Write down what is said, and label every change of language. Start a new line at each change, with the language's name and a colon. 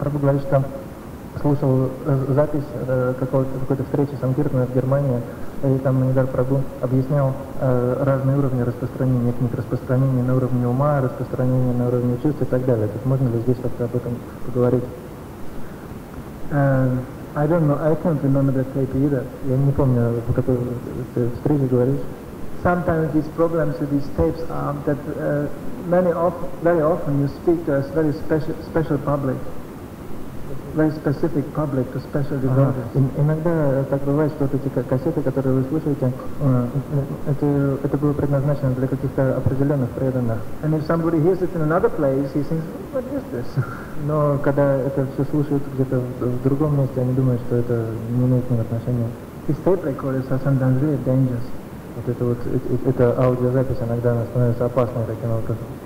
English: Probably
Russian: говорит, что слушал запись какой-то встречи с Ангертом в Германии, и там Нидар Прабу объяснял разные уровни распространения книг, распространение на уровне ума, распространение на уровне чувств и так далее. Так можно ли здесь как-то об этом поговорить?
English: I don't know, I can't remember that tape either.
Russian: Я не помню, в какой встрече говоришь.
English: Sometimes these problems with these tapes are that very often you speak to a very special public, very specific public, to special devotees.
Russian: Иногда так бывает, что эти кассеты, которые вы слушаете, это было предназначено для каких-то определенных преданных.
English: And if somebody hears it in another place, he thinks, what is this?
Russian: Но когда это все слушают где-то в другом месте, они думают, что это не имеет никакого отношения.
English: These tape recorders are sometimes really dangerous.
Russian: Вот это вот, это аудиозапись иногда она становится опасной таким образом.